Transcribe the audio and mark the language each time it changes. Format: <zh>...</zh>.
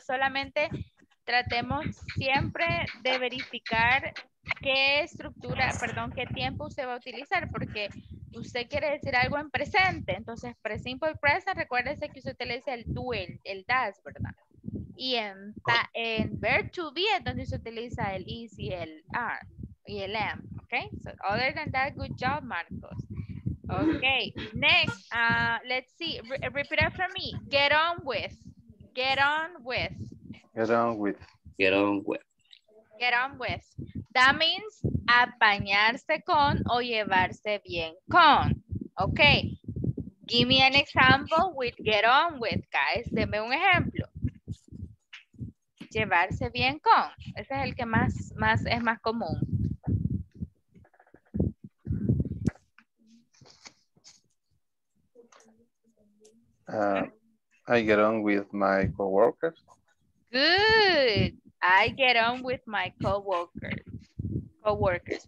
<es>Solamente tratemos siempre de verificar qué estructura, perdón, qué tiempo se va a utilizar, porque usted quiere decir algo en presente. Entonces, simple present, recuérdese que usted utiliza el do, el does, ¿verdad? Y en verb to be, entonces se utiliza el is y el are y el am.</es> <en>Okay, so other than that, good job, Marcos. Okay, next, let's see, repeat after me. Get on with. Get on with. Get on with. Get on with. Get on with. That means</en> <es>apañarse con o llevarse bien con.</es> <en>Okay, give me an example with get on with, guys.</en> <es>Deme un ejemplo. Llevarse bien con. Ese es el que más es más común.</es> <en>I get on with my coworkers. Good. I get on with my coworkers.</en>